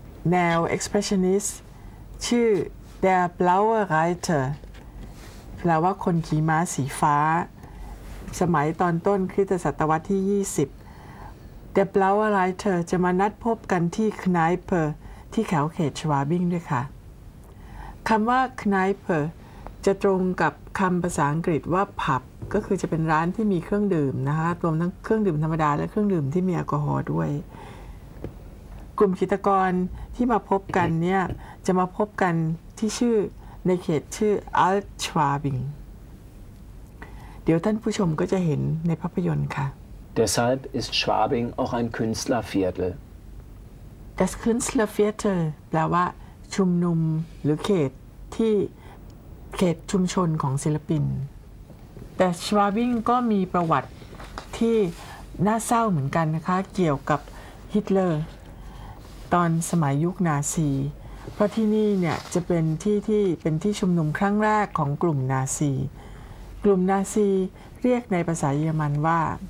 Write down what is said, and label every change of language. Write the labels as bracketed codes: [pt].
[th] แนว expressionist ชื่อ Der Blaue Reiter แปลว่าคนขี่ม้าสีฟ้าสมัยตอนต้นคริสตศตวรรษที่20แต่ Blauer Reiter จะมานัดพบกันที่ Kneiper ที่แถวเขตชวาบิ้งด้วยค่ะคำว่า Kneiper จะตรงกับคำภาษาอังกฤษว่า Pub ก็คือจะเป็นร้านที่มีเครื่องดื่มนะคะรวมทั้งเครื่องดื่มธรรมดาและเครื่องดื่มที่มีแอลกอฮอล์ด้วย กลุ่มจิตรกรที่มาพบกันเนี่ยจะมาพบกันที่ชื่อในเขตชื่อ Altschwabing เดี๋ยวท่านผู้ชมก็จะเห็นในภาพยนตร์ค่ะ [de] Deshalb ist Schwabing auch ein Künstlerviertel. [th] Das Künstlerviertel แปลว่าชุมนุมหรือเขตที่เขตชุมชนของศิลปินแต่ Schwabing ก็มีประวัติที่น่าเศร้าเหมือนกันนะคะเกี่ยวกับฮิตเลอร์ตอนสมัยยุคนาซีเพราะที่นี่เนี่ยจะเป็นที่ที่เป็นที่ชุมนุมครั้งแรกของกลุ่มนาซีกลุ่มนาซีเรียกในภาษาเยอรมันว่า